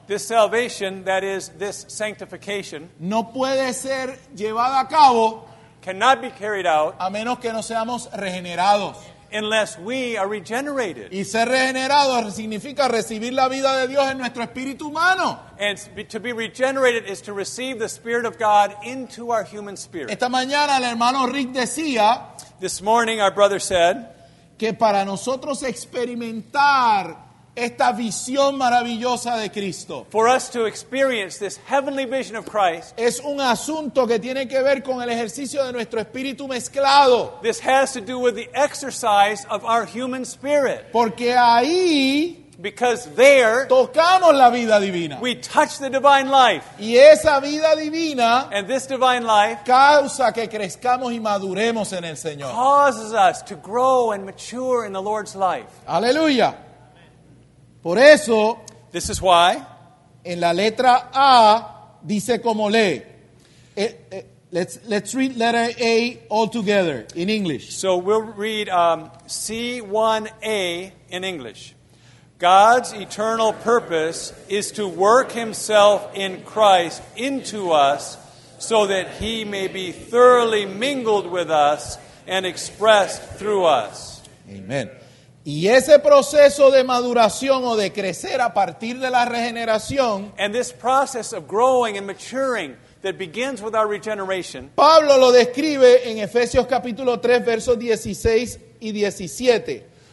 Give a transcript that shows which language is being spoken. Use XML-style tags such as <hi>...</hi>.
<en>this salvation, that is, this sanctification,</en> <es>no puede ser llevada a cabo,</es> <en>cannot be carried out,</en> <es>a menos que no seamos regenerados,</es> <en>unless we are regenerated.</en> <es>Y ser regenerado significa recibir la vida de Dios en nuestro espíritu humano.</es> <en>And to be regenerated is to receive the Spirit of God into our human spirit.</en> <es>Esta mañana el hermano Rick decía,</es> <en>this morning our brother said,</en> <es>que para nosotros experimentar esta visión maravillosa de Cristo.</es> <en>For us to experience this heavenly vision of Christ.</en> <es>Es un asunto que tiene que ver con el ejercicio de nuestro espíritu mezclado.</es> <en>This has to do with the exercise of our human spirit.</en> <es>Porque ahí.</es> <en>Because there.</en> <es>Tocamos la vida divina.</es> <en>We touch the divine life.</en> <es>Y esa vida divina.</es> <en>And this divine life.</en> <es>Causa que crezcamos y maduremos en el Señor.</es> <en>Causes us to grow and mature in the Lord's life.</en> <es>Aleluya. Por eso,</es> <en>this is why,</en> <es>en la letra A, dice como lee.</es> <en>Let's read letter A all together in English. So we'll read C1A in English. God's eternal purpose is to work himself in Christ into us so that he may be thoroughly mingled with us and expressed through us. Amen.</en> <es>Y ese proceso de maduración o de crecer a partir de la regeneración,</es> <en>and this process of growing and maturing that begins with our regeneration,</en> <es>Pablo lo describe en Efesios capítulo 3 versos 16 y 17.</es>